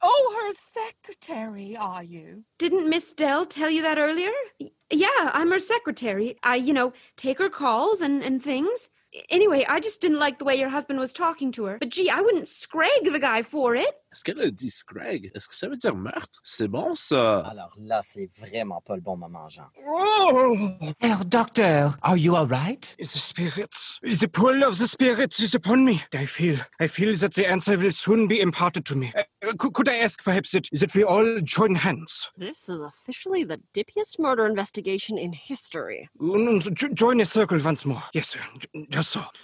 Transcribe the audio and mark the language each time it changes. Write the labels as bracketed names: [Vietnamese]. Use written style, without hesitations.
[English] Oh, her secretary, are you? Didn't Miss Dell tell you that earlier? Yeah, I'm her secretary. I, you know, take her calls and things. Anyway, I just didn't like the way your husband was talking to her. But gee, I wouldn't scrag the guy for it. [French] Est-ce qu'elle a dit scrag? Est-ce que ça veut dire meurtre? C'est bon, ça? Alors là, c'est vraiment pas le bon moment, Jean. [English] Oh! Herr Doctor, are you all right? The spirits. The pull of the spirits is upon me. I feel that the answer will soon be imparted to me. Could I ask, perhaps, that we all join hands? This is officially the dippiest murder investigation in history. Join a circle once more. Yes, sir. Just so.